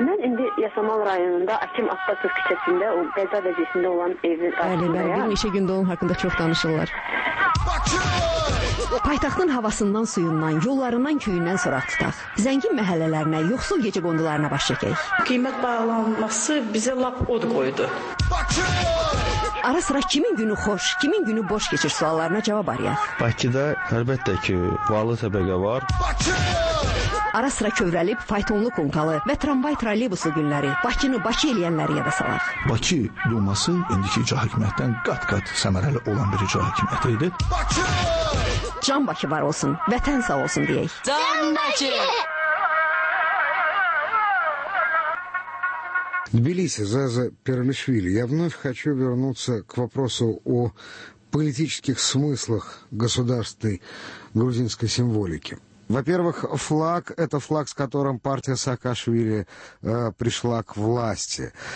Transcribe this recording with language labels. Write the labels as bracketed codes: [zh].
[az] Mən indi Yasamal rayonunda Akim Abbasov küçəsində, o qəza vəziyyəsində olan evin qarşısındayım. Bəli, bir neçə gündə onun haqqında çox danışırlar. Paytaxtın havasından, suyundan, yollarından, köyündən sonra tutaq. Zəngin məhəllələrinə, yoxsul gecə qondularına baş çəkək. Qiymət bağlanması bizə lap od qoydu. Bakı! Ara sıra kimin günü xoş, kimin günü boş keçir suallarına cavab arayaq. Bakıda əlbəttə ki, varlı təbəqə var. Bakı! Ara sıra kövrəlib, faytonlu konkalı və tramvay trolleybuslu günləri Bakını Bakı eləyənləri yada salaq. Bakı Duması indiki icra hakimiyyətdən qat-qat səmərəli olan bir icra hakimiyyəti idi. Bakı! Can Bakı var olsun, vətən sağ olsun deyək. Can Bakı! [ru] Тбилиси, Заза Пернишвили. Я вновь хочу вернуться к вопросу о политических смыслах государственной грузинской символики. Во-первых, флаг – это флаг, с которым партия Саакашвили пришла к власти.